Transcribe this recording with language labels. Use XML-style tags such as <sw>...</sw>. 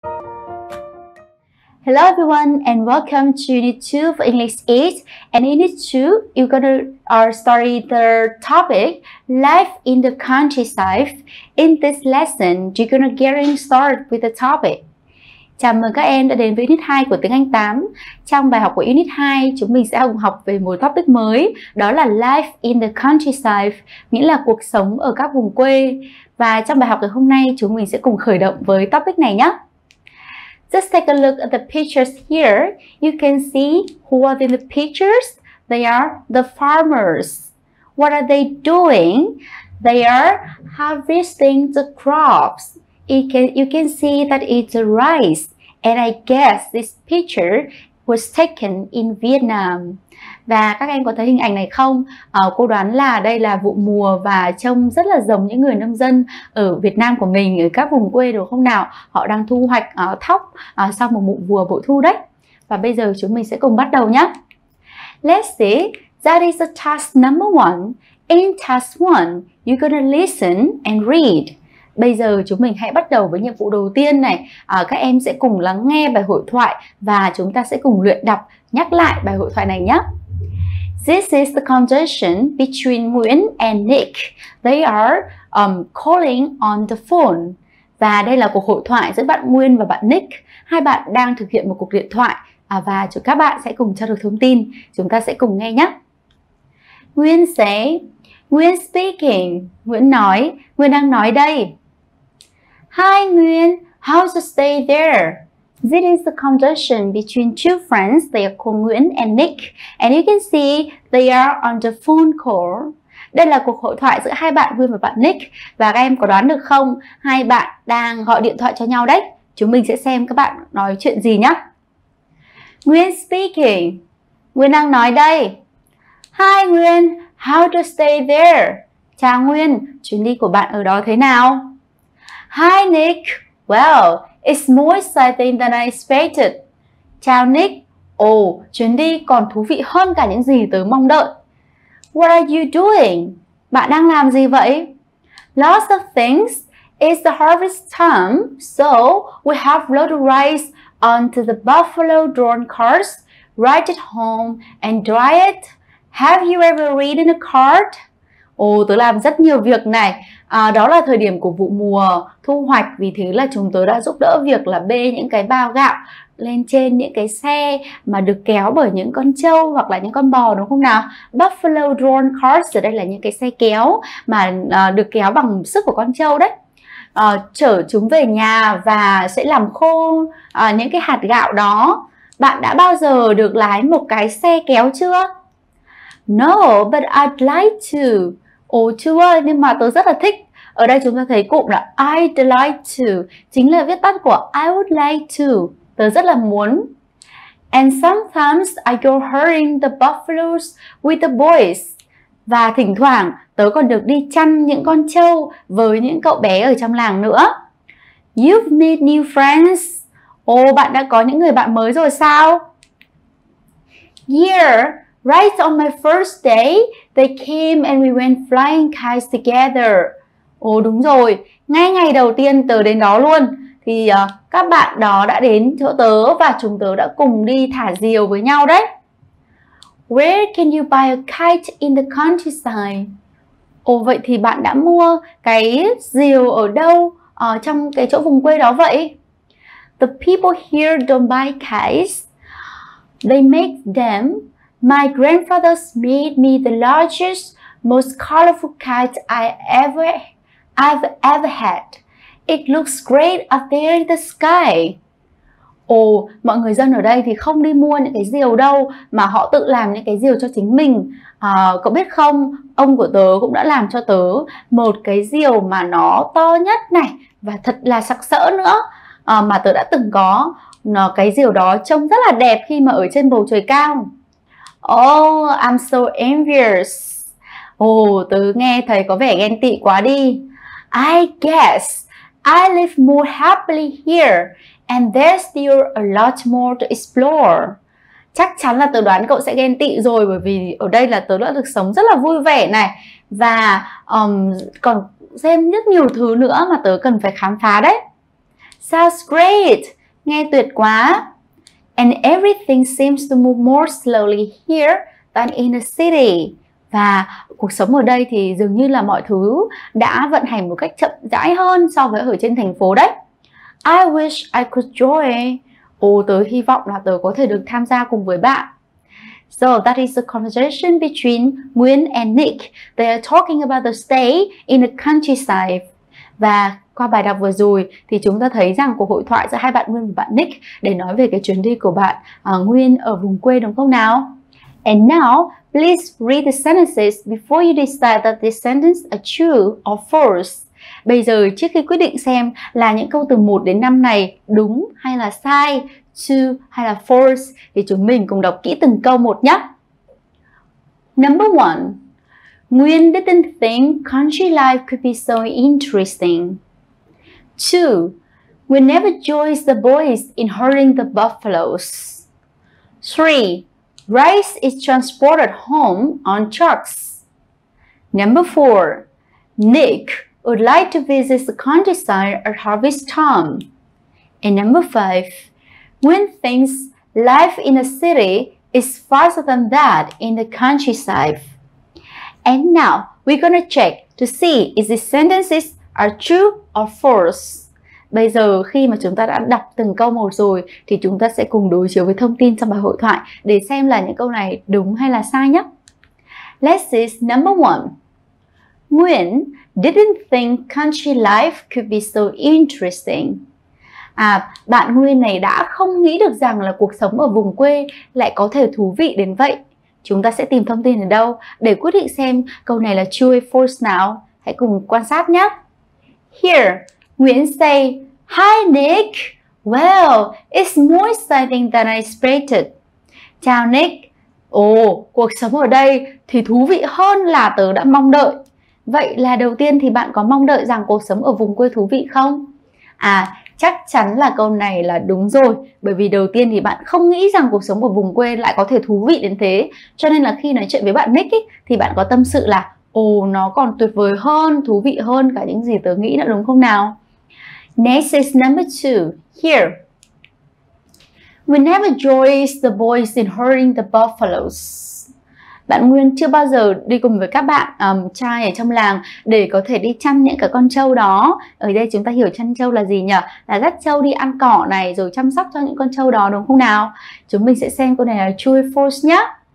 <en>Hello everyone and welcome to Unit 2 for English 8. And in Unit 2, you're going to study the topic Life in the Countryside. In this lesson, you're going to get started with the topic.</en> <vi>Chào mừng các em đã đến với Unit 2 của tiếng Anh 8. Trong bài học của Unit 2, chúng mình sẽ cùng học về một topic mới, đó là Life in the Countryside, nghĩa là cuộc sống ở các vùng quê. Và trong bài học ngày hôm nay, chúng mình sẽ cùng khởi động với topic này nhé.</vi> <en>Just take a look at the pictures here. You can see who are in the pictures. They are the farmers. What are they doing? They are harvesting the crops. You can see that it's rice. And I guess this picture was taken in Vietnam.</en> <vi>Và các em có thấy hình ảnh này không? Cô đoán là đây là vụ mùa và trông rất là giống những người nông dân ở Việt Nam của mình, ở các vùng quê đúng không nào? Họ đang thu hoạch thóc sau một vụ mùa bội thu đấy. Và bây giờ chúng mình sẽ cùng bắt đầu nhé.</vi> <en>Let's see, that is the task number one. In task one, you're gonna listen and read.</en> <vi>Bây giờ chúng mình hãy bắt đầu với nhiệm vụ đầu tiên này. Các em sẽ cùng lắng nghe bài hội thoại và chúng ta sẽ cùng luyện đọc, nhắc lại bài hội thoại này nhé.</vi> <en>This is the conversation between Nguyễn and Nick. They are calling on the phone.</en> <vi>Và đây là cuộc hội thoại giữa bạn Nguyễn và bạn Nick. Hai bạn đang thực hiện một cuộc điện thoại và các bạn sẽ cùng trao đổi thông tin. Chúng ta sẽ cùng nghe nhé.</vi> <en>Nguyễn say, Nguyễn speaking.</en> <vi>Nguyễn nói, Nguyễn đang nói đây.</vi> <en>Hi Nguyễn, how's the stay there? This is the conversation between two friends. They are called Nguyễn and Nick. And you can see they are on the phone call.</en> <vi>Đây là cuộc hội thoại giữa hai bạn Nguyễn và bạn Nick. Và các em có đoán được không? Hai bạn đang gọi điện thoại cho nhau đấy. Chúng mình sẽ xem các bạn nói chuyện gì nhé.</vi> <en>Nguyễn speaking.</en> <vi>Nguyễn đang nói đây.</vi> <en>Hi Nguyễn, how to stay there?</en> <vi>Chào Nguyễn, chuyến đi của bạn ở đó thế nào?</vi> <en>Hi Nick, well, it's more exciting than I expected.</en> <vi>Chào Nick. Chuyến đi còn thú vị hơn cả những gì tớ mong đợi.</vi> <en>What are you doing?</en> <vi>Bạn đang làm gì vậy?</vi> <en>Lots of things. It's the harvest time, so we have load of rice onto the buffalo drawn carts, ride it home and dry it. Have you ever ridden a cart?</en> <vi>Tớ làm rất nhiều việc này. Đó là thời điểm của vụ mùa thu hoạch, vì thế là chúng tớ đã giúp đỡ việc là bê những cái bao gạo lên trên những cái xe mà được kéo bởi những con trâu hoặc là những con bò đúng không nào?</vi> <en>Buffalo drawn carts</en> <vi>ở đây là những cái xe kéo mà được kéo bằng sức của con trâu đấy. Chở chúng về nhà và sẽ làm khô những cái hạt gạo đó. Bạn đã bao giờ được lái một cái xe kéo chưa?</vi> <en>No, but I'd like to.</en> <vi>Chưa, nhưng mà tớ rất là thích. Ở đây chúng ta thấy cụm là</vi> <en>I'd like to,</en> <vi>chính là viết tắt của</vi> <en>I would like to.</en> <vi>Tớ rất là muốn.</vi> <en>And sometimes I go herding the buffaloes with the boys.</en> <vi>Và thỉnh thoảng tớ còn được đi chăn những con trâu với những cậu bé ở trong làng nữa.</vi> <en>You've made new friends.</en> <vi>Bạn đã có những người bạn mới rồi sao?</vi> <en>Yeah. Right on my first day, they came and we went flying kites together.</en> <vi>Đúng rồi. Ngay ngày đầu tiên tớ đến đó luôn. Thì các bạn đó đã đến chỗ tớ và chúng tớ đã cùng đi thả diều với nhau đấy.</vi> <en>Where can you buy a kite in the countryside?</en> <vi>Vậy thì bạn đã mua cái diều ở đâu trong cái chỗ vùng quê đó vậy?</vi> <en>The people here don't buy kites. They make them. My grandfather's made me the largest, most colorful kite I've ever had. It looks great up there in the sky.</en> <vi>Mọi người dân ở đây thì không đi mua những cái diều đâu, mà họ tự làm những cái diều cho chính mình. Cậu biết không, ông của tớ cũng đã làm cho tớ một cái diều mà nó to nhất này và thật là sặc sỡ nữa mà tớ đã từng có. Cái diều đó trông rất là đẹp khi mà ở trên bầu trời cao.</vi> <en>Oh, I'm so envious.</en> <vi>Tớ nghe thấy có vẻ ghen tị quá đi.</vi> <en>I guess I live more happily here and there's still a lot more to explore.</en> <vi>Chắc chắn là tớ đoán cậu sẽ ghen tị rồi, bởi vì ở đây là tớ đã được sống rất là vui vẻ này. Và còn thêm rất nhiều thứ nữa mà tớ cần phải khám phá đấy.</vi> <en>Sounds great.</en> <vi>Nghe tuyệt quá.</vi> <en>And everything seems to move more slowly here than in a city.</en> <vi>Và cuộc sống ở đây thì dường như là mọi thứ đã vận hành một cách chậm rãi hơn so với ở trên thành phố đấy.</vi> <en>I wish I could join.</en> <vi>Ồ, tớ hy vọng là tớ có thể được tham gia cùng với bạn.</vi> <en>So that is the conversation between Nguyễn and Nick. They are talking about the stay in the countryside.</en> <vi>Và qua bài đọc vừa rồi thì chúng ta thấy rằng cuộc hội thoại giữa hai bạn Nguyên và bạn Nick để nói về cái chuyến đi của bạn Nguyên ở vùng quê, đúng không nào?</vi> <en>And now, please read the sentences before you decide that this sentence is true or false.</en> <vi>Bây giờ trước khi quyết định xem là những câu từ 1 đến 5 này đúng hay là sai, true hay là false, thì chúng mình cùng đọc kỹ từng câu một nhé.</vi> <en>Number 1. Nguyên didn't think country life could be so interesting. 2. We never joined the boys in herding the buffaloes. 3. Rice is transported home on trucks. Number 4. Nick would like to visit the countryside at harvest time. And number 5. Nguyen thinks life in a city is faster than that in the countryside. And now we're gonna check to see if these sentences are true or false.</en> <vi>Bây giờ khi mà chúng ta đã đọc từng câu một rồi thì chúng ta sẽ cùng đối chiếu với thông tin trong bài hội thoại để xem là những câu này đúng hay là sai nhé.</vi> <en>Let's see number 1. Nguyễn didn't think country life could be so interesting.</en> <vi>À, bạn Nguyễn này đã không nghĩ được rằng là cuộc sống ở vùng quê lại có thể thú vị đến vậy. Chúng ta sẽ tìm thông tin ở đâu để quyết định xem câu này là true hay false nào. Hãy cùng quan sát nhé.</vi> <en>Here, Nguyễn say, "Hi Nick, well, it's more exciting than I expected."</en> <vi>Chào Nick. Ồ, cuộc sống ở đây thì thú vị hơn là tớ đã mong đợi. Vậy là đầu tiên thì bạn có mong đợi rằng cuộc sống ở vùng quê thú vị không? À, chắc chắn là câu này là đúng rồi. Bởi vì đầu tiên thì bạn không nghĩ rằng cuộc sống ở vùng quê lại có thể thú vị đến thế. Cho nên là khi nói chuyện với bạn Nick ý, thì bạn có tâm sự là ồ, nó còn tuyệt vời hơn, thú vị hơn cả những gì tớ nghĩ nữa, đúng không nào?</vi> <en>Next is number 2. Here. We never joined the boys in herding the buffaloes.</en> <vi>Bạn Nguyên chưa bao giờ đi cùng với các bạn trai ở trong làng để có thể đi chăm những cái con trâu đó. Ở đây chúng ta hiểu chăn trâu là gì nhỉ? Là dắt trâu đi ăn cỏ này rồi chăm sóc cho những con trâu đó, đúng không nào? Chúng mình sẽ xem câu này là true or false nhé.</vi>